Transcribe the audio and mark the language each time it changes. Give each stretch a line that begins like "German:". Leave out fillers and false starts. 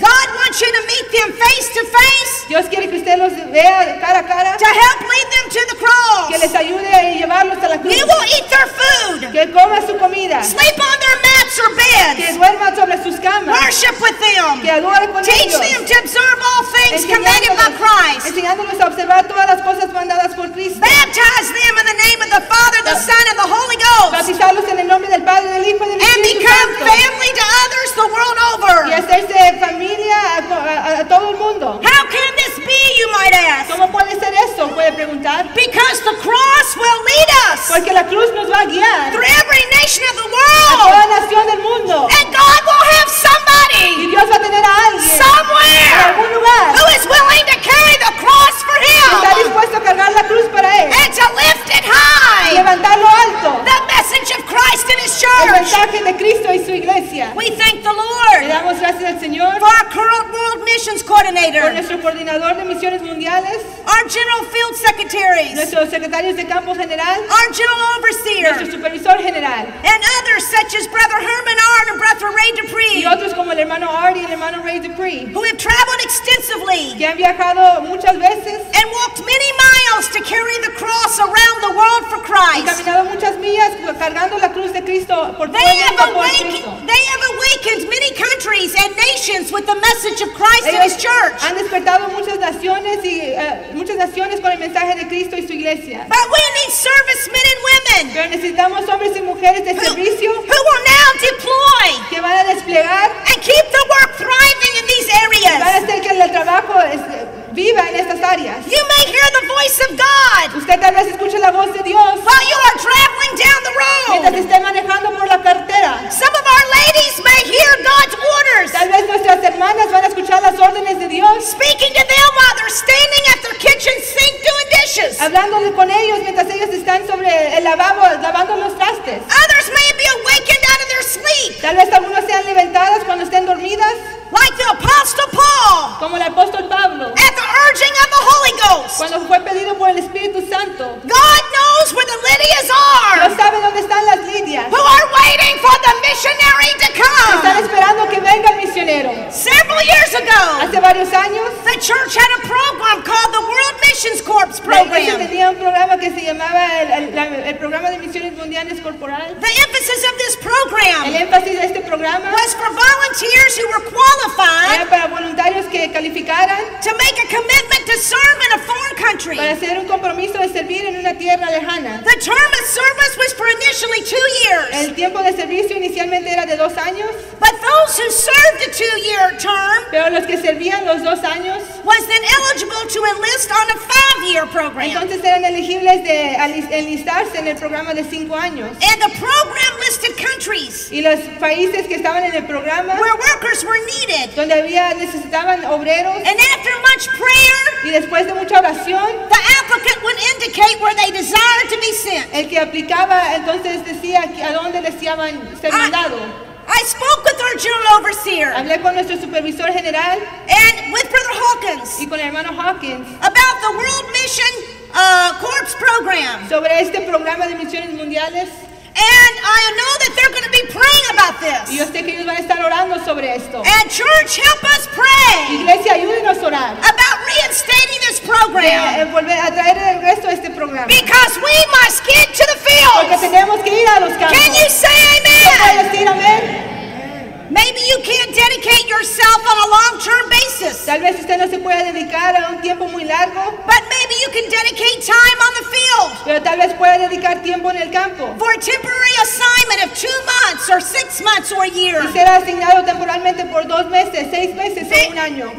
English: God wants you to meet them face to face.
Spanish: Dios quiere que usted los vea. Cara a cara,
English: to help lead them to the cross.
Spanish: Que les ayude a llevarlos a la cruz.
English: You will eat their food.
Spanish: Que coma su comida.
English: Sleep on their mats or beds.
Spanish: Que duerma sobre sus camas.
English: Worship with them.
Spanish: Que adore con
English: teach
Spanish: ellos.
English: Them to observe all things commanded by Christ.
Spanish: Enseñándolos a observar todas las cosas mandadas por Cristo.
English: Baptize them in the name of the Father, the Son, and the Holy Ghost.
Spanish: Bautizarlos en el nombre del Padre, del Hijo, y del Espíritu Santo.
English: And become family to others the world over.
Spanish: Y hacerse familia a todo el mundo.
English: How can this be, you might ask?
Spanish: ¿Cómo puede ser eso? Puede preguntar.
English: Because the cross will lead us.
Spanish: Porque la cruz nos va a guiar.
English: Through every nation of the world.
Spanish: A toda nación del mundo.
English: And God will have somebody.
Spanish: Y Dios va a tener a alguien.
English: Somewhere.
Spanish: En algún lugar.
English: Who is willing to carry the cross for him.
Spanish: Está dispuesto a cargar la cruz para él.
English: And to lift it high.
Spanish: Y levantarlo alto.
English: The message of Christ and his church.
Spanish: El mensaje de Cristo y su iglesia.
English: We thank the Lord.
Spanish: Le damos gracias al Señor.
English: For our current world missions coordinator.
Spanish: Por nuestro coordinador de misiones mundiales.
English: Our general field secretaries.
Spanish: Nuestros secretarios de campo general.
English: Our general overseer.
Spanish: Nuestro supervisor general.
English: And others such as Brother Herman R. and Brother Ray Dupree.
Spanish: Y otros como el hermano Artie y el hermano Ray Dupree.
English: Who have traveled extensively.
Spanish: Que han viajado muchas veces.
English: And walked many miles to carry the cross around the world for Christ.
Spanish: Y caminado muchas millas cargando la cruz de Cristo por todo el mundo por Cristo.
English: They have awakened many countries and nations with the message of Christ and His church.
Spanish: Han despertado muchas naciones y muchas naciones con el mensaje de Cristo y su iglesia.
English: But we need servicemen and women.
Spanish: Pero necesitamos hombres y mujeres de servicio.
English: Who will now deploy?
Spanish: Que van a desplegar.
English: And keep the work thriving in these areas.
Spanish: Y van a hacer que el trabajo viva en estas áreas.
English: You may hear the voice of God.
Spanish: Usted tal vez escuche la voz de Dios.
English: While you are traveling down the road.
Spanish: Mientras esté manejando por la carretera.
English: Some of our ladies may hear God's orders.
Spanish: Tal vez nuestras hermanas van a escuchar las órdenes de Dios.
English: Speaking to them while they're standing at their kitchen sink doing dishes.
Spanish: Hablándole con ellos mientras ellos están sobre el lavabo lavando los trastes.
English: Others may be awakened out of their sleep.
Spanish: Tal vez algunas sean levantadas cuando estén dormidas.
English: Like the Apostle Paul.
Spanish: Como el apóstol Pablo.
English: At the urging of the Holy Ghost.
Spanish: Cuando fue pedido por el Espíritu Santo.
English: God knows where the Lydias are.
Spanish: Dios sabe dónde están las Lidias.
English: Who are waiting for the missionary to come.
Spanish: Están esperando que venga el misionero.
English: Several years ago.
Spanish: Hace varios años.
English: The church had a program called the World Missions Corps Program.
Spanish: La iglesia tenía un programa que se llamaba el programa de misiones mundiales corporal.
English: The emphasis of this program.
Spanish: El énfasis de este programa.
English: Was for volunteers who were qualified to make a commitment to serve in a foreign country.
Spanish: Para hacer un compromiso de servir en una tierra lejana.
English: The term of service was for initially 2 years.
Spanish: El tiempo de servicio inicialmente era de 2 años.
English: But those who served a 2-year term,
Spanish: pero los que servían los 2 años,
English: was then eligible to enlist on a 5-year program.
Spanish: Entonces eran elegibles de enlistarse en el programa de 5 años.
English: And the program listed countries.
Spanish: Y los países que estaban en el programa.
English: Where workers were needed.
Spanish: Donde había necesitaban obreros.
English: And after much prayer,
Spanish: y después de mucha oración,
English: the applicant would indicate where they desired to be sent.
Spanish: El que aplicaba entonces decía a dónde deseaban ser mandado.
English: I spoke with our general overseer.
Spanish: Hablé con nuestro supervisor general.
English: And with Brother Hawkins.
Spanish: Y con el hermano Hawkins.
English: About the World Mission Corps program.
Spanish: Sobre este programa de misiones mundiales.
English: And I know that they're going to be praying about this.
Spanish: Yo sé que ellos van a estar orando sobre esto.
English: And church, help us pray.
Spanish: Iglesia, ayúdenos a orar.
English: About reinstating this program.
Spanish: De volver a traer el resto de este programa.
English: Because we must get to the fields.
Spanish: Porque tenemos que ir a los campos.
English: Can you say amen?
Spanish: ¿No puedes decir amén?
English: Maybe you can't dedicate yourself on a long-term basis.
Spanish: Tal vez usted no se pueda dedicar a un tiempo muy largo.
English: But maybe you can dedicate time on the field.
Spanish: Pero tal vez pueda dedicar tiempo en el campo.
English: For a temporary assignment of 2 months or 6 months or a year.
Spanish: Y será asignado temporalmente por 2 meses, 6 meses o un año.